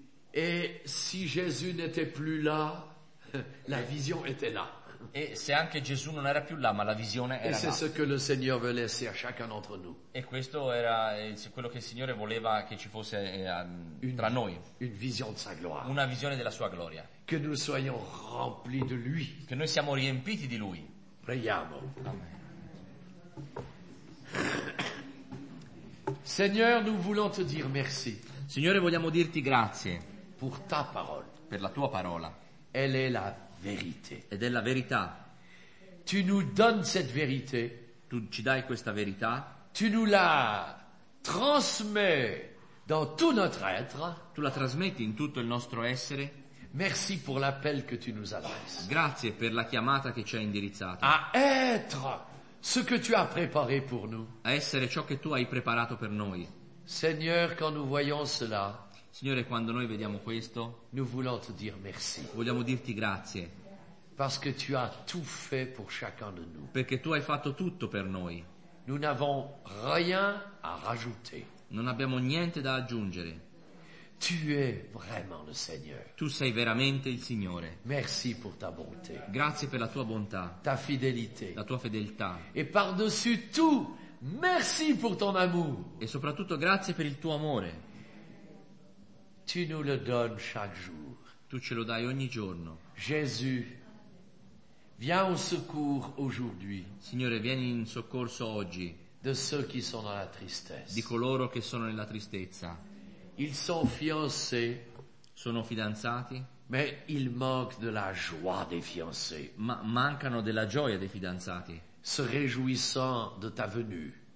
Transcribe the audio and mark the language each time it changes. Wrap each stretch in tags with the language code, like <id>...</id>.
<fr>Et si Jésus n'était plus là, la vision était là.</fr> <it>E se anche Gesù non era più là, ma la visione era là.</it> <fr>C'est ce que le Seigneur veut laisser à chacun d'entre nous.</fr> <it>E questo era quello che il Signore voleva che ci fosse tra noi.</it> <fr>Une vision de sa gloire.</fr> <it>Una visione della sua gloria.</it> <fr>Que nous soyons remplis de lui.</fr> <it>Che noi siamo riempiti di lui. Preghiamo.</it> <fr>Seigneur, nous voulons te dire merci.</fr> <it>Signore, vogliamo dirti grazie.</it> <fr>Pour ta parole.</fr> <it>Per la tua parola.</it> <fr>Elle est la vérité.</fr> <it>Ed è la verità.</it> <fr>Tu nous donnes cette vérité.</fr> <it>Tu ci dai questa verità.</it> <fr>Tu nous la transmets dans tout notre être.</fr> <it>Tu la trasmetti in tutto il nostro essere.</it> <fr>Merci pour l'appel que tu nous adresses.</fr> <it>Grazie per la chiamata che ci hai indirizzato.</it> <fr>À être ce que tu as préparé pour nous.</fr> <it>A essere ciò che tu hai preparato per noi.</it> <fr>Seigneur, quand nous voyons cela.</fr> <it>Signore, quando noi vediamo questo,</it> <fr>nous voulons te dire merci.</fr> <it>Vogliamo dirti grazie.</it> <fr>Parce que tu as tout fait pour chacun de nous.</fr> <it>Perché tu hai fatto tutto per noi.</it> <fr>Nous n'avons rien à rajouter.</fr> <it>Non abbiamo niente da aggiungere.</it> <fr>Tu es vraiment le Seigneur.</fr> <it>Tu sei veramente il Signore.</it> <fr>Merci pour ta bonté.</fr> <it>Grazie per la tua bontà.</it> <fr>Ta fidélité.</fr> <it>La tua fedeltà.</it> <fr>Et par-dessus tout, merci pour ton amour.</fr> <it>E soprattutto grazie per il tuo amore.</it> <fr>Tu nous le donnes chaque jour.</fr> <it>Tu ce lo dai ogni giorno.</it> <fr>Jésus, viens au secours aujourd'hui.</fr> <it>Signore, vieni in soccorso oggi.</it> <fr>De ceux qui sont dans la tristesse.</fr> <it>Di coloro che sono nella tristezza.</it> <fr>Ils sont fiancés.</fr> <it>Sono fidanzati.</it> <fr>Mais il manque de la joie des fiancés.</fr> <it>Ma mancano della gioia dei fidanzati.</it> <fr>Se réjouissant de ta venue.</fr>